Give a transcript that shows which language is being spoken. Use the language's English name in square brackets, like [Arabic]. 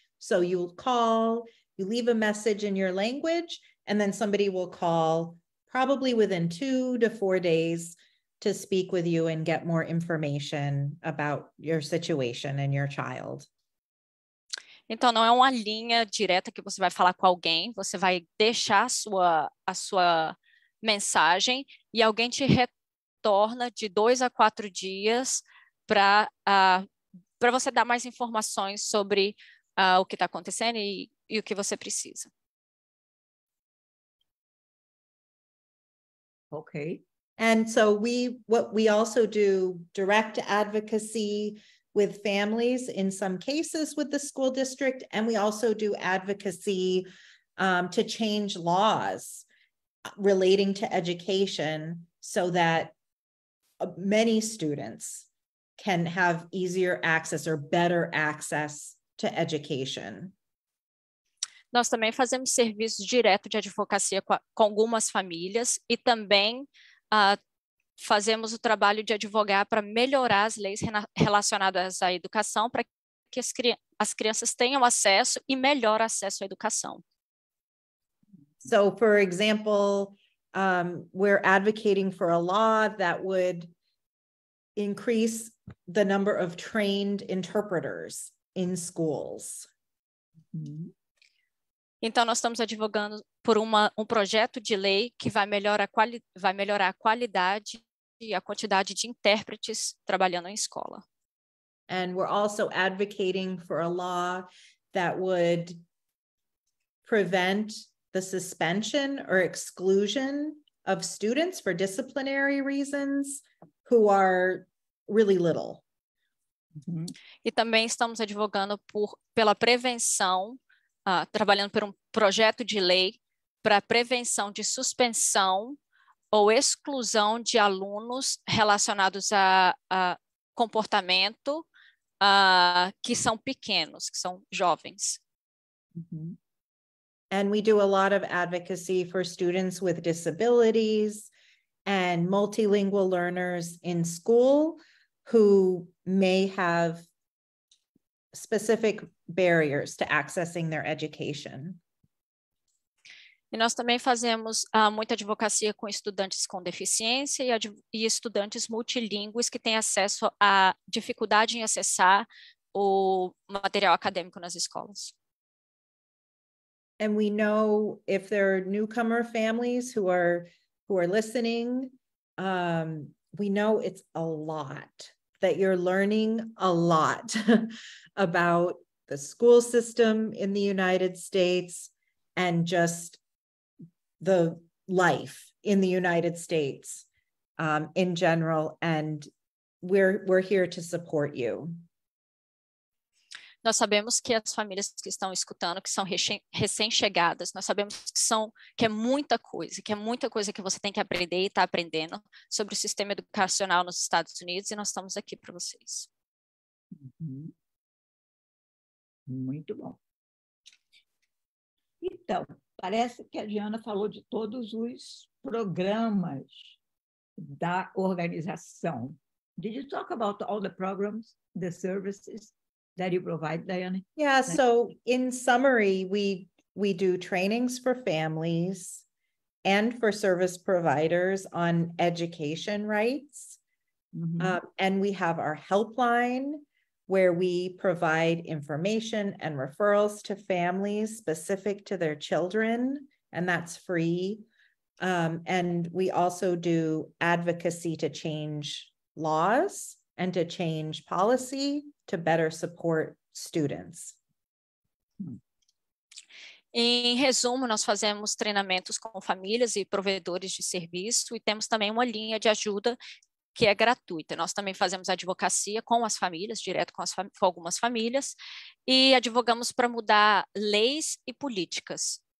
[English] So you'll call, you leave a message in your language, and then somebody will call probably within 2 to 4 days to speak with you and get more information about your situation and your child. [Portuguese] Então, não é uma linha direta que você vai falar com alguém, você vai deixar a sua mensagem e alguém te retorna de 2 a 4 dias para você dar mais informações sobre o que está acontecendo e o que você precisa. Ok. [English] And so we also do direct advocacy with families in some cases with the school district. And we also do advocacy to change laws relating to education so that many students can have easier access or better access to education. [Portuguese] Nós também fazemos serviço direto de advocacia com algumas famílias e também fazemos o trabalho de advogar para melhorar as leis relacionadas à educação para que as crianças tenham acesso e melhor acesso à educação. [English] So, for example, we're advocating for a law that would increase the number of trained interpreters in schools. [Portuguese] Então, nós estamos advogando por um projeto de lei que vai melhorar a qualidade e a quantidade de intérpretes trabalhando em escola. [English] And we're also advocating for a law that would prevent the suspension or exclusion of students for disciplinary reasons who are really little. [Portuguese] Mm-hmm. E também estamos advogando pela prevenção, trabalhando por um projeto de lei para prevenção de suspensão ou exclusão de alunos relacionados a comportamento que são pequenos, que são jovens. Mm-hmm. [English] And we do a lot of advocacy for students with disabilities and multilingual learners in school who may have specific barriers to accessing their education. [Portuguese] E nós também fazemos muita advocacia com estudantes com deficiência e estudantes multilíngues que têm acesso à dificuldade em acessar o material acadêmico nas escolas. [English] And we know if there are newcomer families who are listening, we know it's a lot, that you're learning a lot about the school system in the United States and just the life in the United States in general, and we're here to support you. [Portuguese] Nós sabemos que as famílias que estão escutando, que são recém-chegadas, nós sabemos que é muita coisa, que é muita coisa que você tem que aprender e está aprendendo sobre o sistema educacional nos Estados Unidos, e nós estamos aqui para vocês. Uhum. Muito bom. Então, parece que a Diana falou de todos os programas da organização. [English] Did you talk about all the programs, the services that you provide, Diana? Yeah, so in summary, we do trainings for families and for service providers on education rights. Mm-hmm. And we have our helpline, where we provide information and referrals to families specific to their children, and that's free. And we also do advocacy to change laws and to change policy to better support students. [Portuguese] Em resumo, nós fazemos treinamentos com famílias e provedores de serviço, e temos também uma linha de ajuda que é gratuita. Nós também fazemos advocacia com as famílias, direto com, com algumas famílias, e advogamos para mudar leis e políticas.